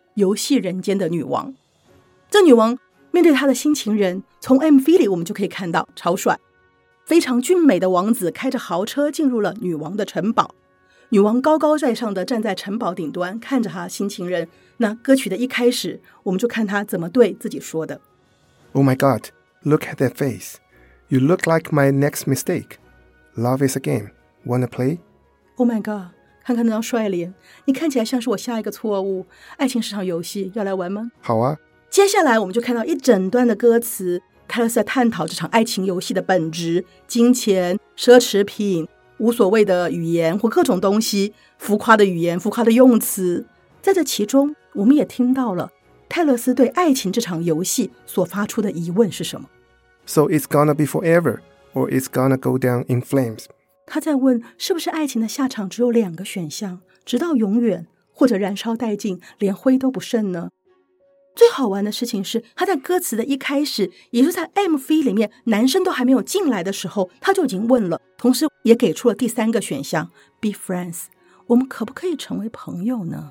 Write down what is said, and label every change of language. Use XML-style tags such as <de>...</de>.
<zh>游戏人间的女王。这女王面对她的新情人，从 MV 里我们就可以看到超帅非常俊美的王子开着豪车进入了女王的城堡，女王高高在上的站在城堡顶端看着她新情人。那歌曲的一开始，我们就看她怎么对自己说的</zh> <en>Oh my God, look at that face. You look like my next mistake. Love is a game. Wanna play? Oh my God,</en> <zh>看看那张帅脸，你看起来像是我下一个错误，爱情是场游戏，要来玩吗？好啊。接下来我们就看到一整段的歌词，泰勒斯在探讨这场爱情游戏的本质，金钱、奢侈品、无所谓的语言或各种东西，浮夸的语言、浮夸的用词。在这其中，我们也听到了泰勒斯对爱情这场游戏所发出的疑问是什么。</zh> <en>So it's gonna be forever, or it's gonna go down in flames.</en> <zh>他在问，是不是爱情的下场只有两个选项，直到永远，或者燃烧殆尽，连灰都不剩呢？最好玩的事情是，他在歌词的一开始，也就是在 MV 里面男生都还没有进来的时候，他就已经问了，同时也给出了第三个选项</zh> <en>Be friends，</en> <zh>我们可不可以成为朋友呢？</zh>